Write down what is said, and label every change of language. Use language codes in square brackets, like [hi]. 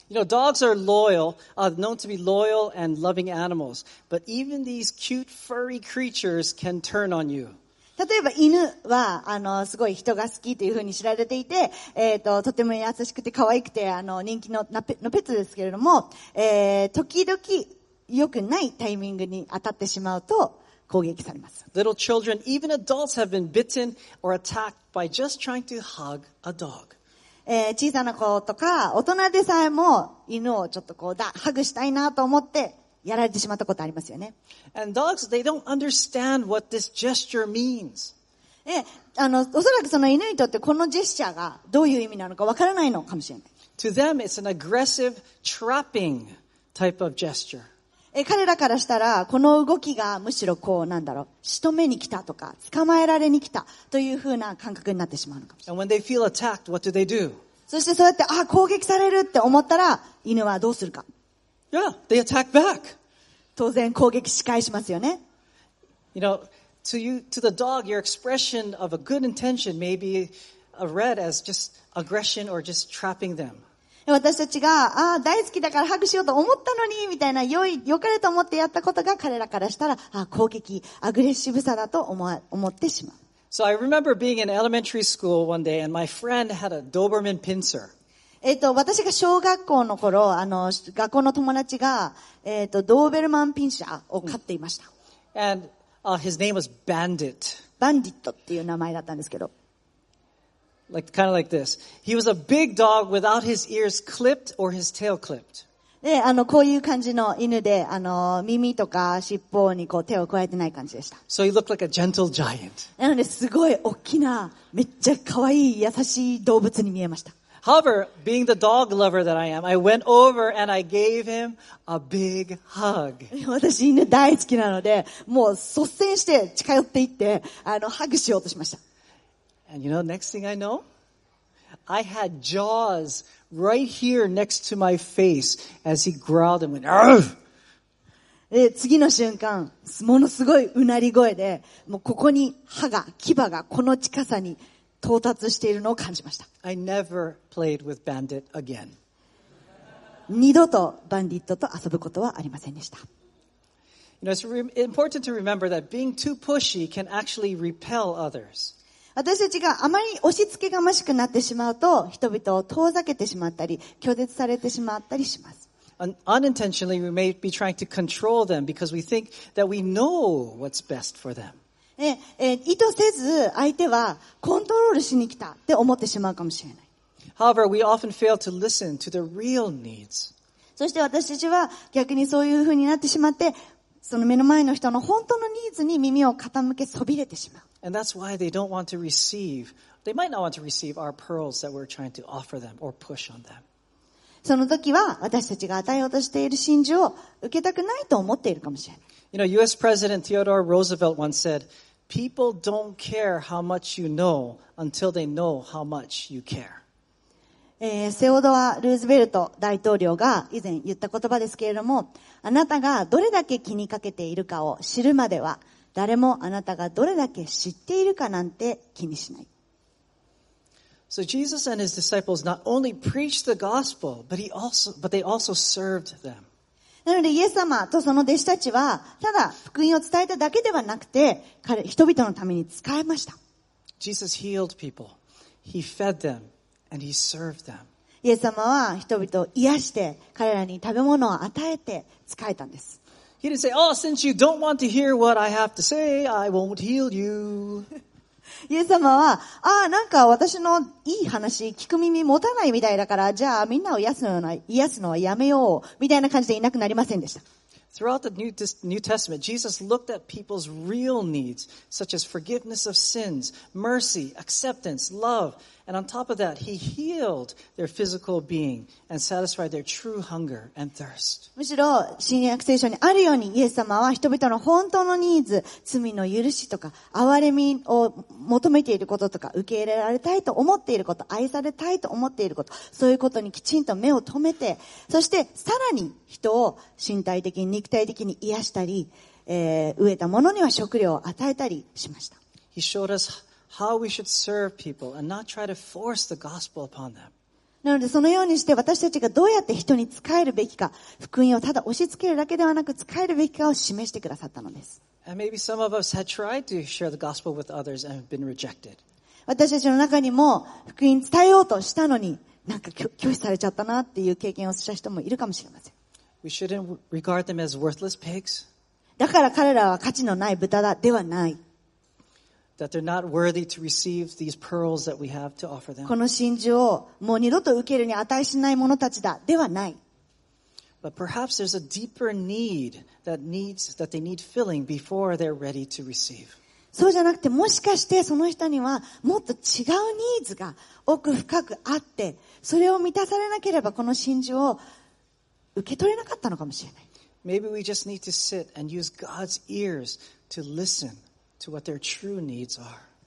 [en] You know, dogs are loyal, known to be loyal and loving animals. But even these cute furry creatures can turn on you. [ja] 例えば犬は、すごい人が好きというふうに知られていて、とても優しくて可愛くて、人気のペットですけれども、時々良くないタイミングに当たってしまうと、攻撃されます。 [en] Little children, even adults have been bitten or attacked by just trying to hug a dog. [ja] 小さな子とか大人でさえも犬をちょっとこうハグしたいなと思ってやられてしまったことありますよね。 [en] And dogs, they don't understand what this gesture means. [ja] おそらくその犬にとってこのジェスチャーがどういう意味なのかわからないのかもしれない。 [en] To them, it's an aggressive trapping type of gesture. [ja] 彼らからしたらこの動きがむしろこうなんだろう仕留めに来たとか捕まえられに来たというふうな感覚になってしまうのかもしれない。 [en] And when they feel attacked, what do they do? [ja] そしてそうやって攻撃されるって思ったら犬はどうするか。 [en] Yeah, they attack back. [ja] 当然攻撃し返しますよね。 [en] You know, to the dog, your expression of a good intention may be read as just aggression or just trapping them. [ja] 私たちが、大好きだからハグしようと思ったのに、みたいな、良かれと思ってやったことが彼らからしたら、攻撃、アグレッシブさだと思ってしまう。 [en] So I remember being in elementary school one day and my friend had a Doberman pincer. [ja] 私が小学校の頃、学校の友達が、ドーベルマンピンシャーを飼っていました。 [en] And, his name was Bandit. [ja] バンディットっていう名前だったんですけど。 [en] Like, kind of like this. He was a big dog without his ears clipped or his tail clipped. [ja] で、こういう感じの犬で、耳とか尻尾にこう手を加えてない感じでした。 [en] So he looked like a gentle giant. [ja] なので、すごい大きな、めっちゃ可愛い、優しい動物に見えました。 [en] However, being the dog lover that I am, I went over and I gave him a big hug. [ja] 私犬大好きなので、もう率先して近寄っていって、ハグしようとしました。 [en] And you know, next thing I know, I had jaws right here next to my face as he growled and went, Argh! [ja] 次の瞬間、ものすごいうなり声で、もうここに歯が、牙がこの近さに到達しているのを感じました。 [en] I never played with Bandit again. [ja] 二度とバンディットと遊ぶことはありませんでした。 [en] You know, it's important to remember that being too pushy can actually repel others. [ja] 私たちがあまり押し付けがましくなってしまうと人々を遠ざけてしまったり拒絶されてしまったりします。 [en] Unintentionally we may be trying to control them because we think that we know what's best for them. [ja] 意図せず相手はコントロールしに来たって思ってしまうかもしれない。 [en] However, we often fail to listen to the real needs. [ja] そして私たちは逆にそういう風になってしまってその目の前の人の本当のニーズに耳を傾けそびれてしまう。 [en] And that's why they don't want to receive, they might not want to receive our pearls that we're trying to offer them or push on them. [ja] その時は私たちが与えようとしている真珠を受けたくないと思っているかもしれない。 [en] You know, US President Theodore Roosevelt once said, people don't care how much you know until they know how much you care. [ja] セオドア・ルーズベルト大統領が以前言った言葉ですけれども、あなたがどれだけ気にかけているかを知るまでは誰もあなたがどれだけ知っているかなんて気にしない。 [en] So Jesus and his disciples not only preached the gospel, but they also served them. [ja] なのでイエス様とその弟子たちはただ福音を伝えただけではなくて人々のために使えました。 [en] Jesus healed people. He fed themAnd he served them. [ja] イエス様は人々を癒して彼らに食べ物を与えて使えたんです。 [en] He didn't say, "Oh, since you don't want to hear what I have to say, I won't heal you." [ja] イエス様は、なんか私のいい話聞く耳持たないみたいだから、じゃあみんなを癒すのはやめようみたいな感じでいなくなりませんでした。 [en] Throughout the New Testament, Jesus looked at people's real needs, such as forgiveness of sins, mercy, acceptance, love, and on top of that, he healed their physical being and satisfied their true hunger and thirst. [ja] むしろ、新約聖書にあるように、イエス様は人々の本当のニーズ、罪の許しとか、憐れみを求めていることとか、受け入れられたいと思っていること、愛されたいと思っていること、そういうことにきちんと目を留めて、そしてさらに人を身体的に肉体的に癒したり、飢えた者には食料を与えたりしました。 [en] He showed us how we should serve people and not try to force the gospel upon them. [ja] なのでそのようにして私たちがどうやって人に仕えるべきか、福音をただ押し付けるだけではなく仕えるべきかを示してくださったのです。 [en] And maybe some of us had tried to share the gospel with others and been rejected. [ja] 私たちの中にも福音伝えようとしたのに、なんか拒否されちゃったなっていう経験をした人もいるかもしれません。 [en] We shouldn't regard them as worthless pigs. [ja] だから彼らは価値のない豚だではない。 [en] That they're not worthy to receive these pearls that we have to offer them. [ja] この真珠をもう二度と受けるに値しないものたちだではない。 [en] But perhaps there's a deeper need that they need filling before they're ready to receive. [ja] そうじゃなくて、もしかしてその人にはもっと違うニーズが奥深くあって、それを満たされなければこの真珠を受け取れなかったのかもしれない。 [en] Maybe we just need to sit and use God's ears to listen. To what their true needs are.